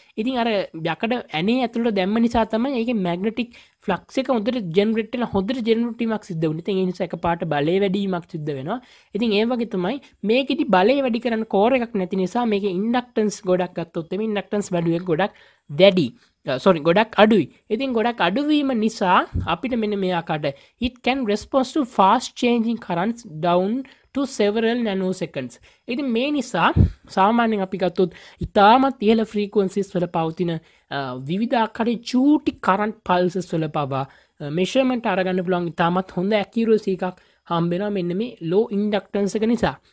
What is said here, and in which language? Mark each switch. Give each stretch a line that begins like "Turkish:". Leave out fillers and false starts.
Sinhala: ඉතින් අර යකඩ ඇනේ ඇතුළට දැම්ම නිසා තමයි ඒකේ මැග්නටික් ෆ්ලක්ස් එක හොඳට ජෙනරේට් වෙලා හොඳට ජෙනරේට් වීමක් සිද්ධ වුණා. ඉතින් ඒ නිසා එකපාරට බලය වැඩි වීමක් සිද්ධ වෙනවා. ඉතින් ඒ වගේ තමයි මේකෙදි බලය වැඩි කරන්න කෝර් එකක් නැති නිසා මේකේ ඉන්ඩක්ටන්ස් ගොඩක් ගත්තොත් එමේ ඉන්ඩක්ටන්ස් වැලියු එක ගොඩක් වැඩි. Sorry, ගොඩක් අඩුයි. ඉතින් ගොඩක් අඩු වීම නිසා අපිට මෙන්න මේ ආකාරයට
English: it can respond to fast changing currents down to several nanoseconds.
Sinhala: ඉතින් මේ නිසා සාමාන්‍යයෙන් අපි ගත්තොත් ඉතාමත් ඉහළ frequencies වල පවතින විවිධ ආකාරයේ චූටි current pulses වල පවා measurement අරගන්න පුළුවන් ඉතාමත් හොඳ accuracy එකක් හම්බ වෙනවා මෙන්න මේ low inductance එක නිසා.